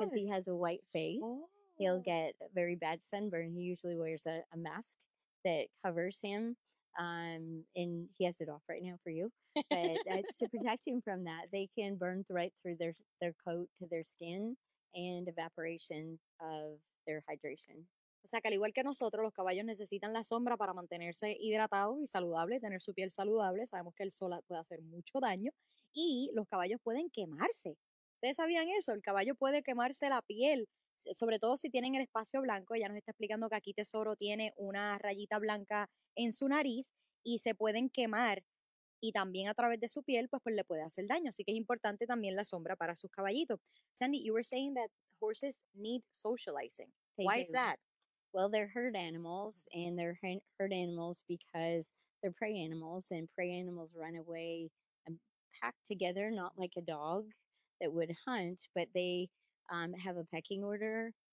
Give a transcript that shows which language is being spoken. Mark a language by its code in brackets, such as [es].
[en] Because he has a white face. Oh. He'll get a very bad sunburn. He usually wears a mask that covers him. And he has it off right now for you. But to protect him from that, they can burn right through their coat to their skin and evaporation of their hydration. [es] O sea, que al igual que nosotros, los caballos necesitan la sombra para mantenerse hidratado y saludable, tener su piel saludable. Sabemos que el sol puede hacer mucho daño. Y los caballos pueden quemarse. ¿Ustedes sabían eso? El caballo puede quemarse la piel. Sobre todo si tienen el espacio blanco. Ella nos está explicando que aquí Tesoro tiene una rayita blanca en su nariz y se pueden quemar, y también a través de su piel pues le puede hacer daño. Así que es importante también la sombra para sus caballitos. [en] Sandy, you were saying that horses need socializing. Why is that? Well, they're herd animals, and they're herd animals because they're prey animals, and prey animals run away and pack together, not like a dog that would hunt, but they have a pecking order.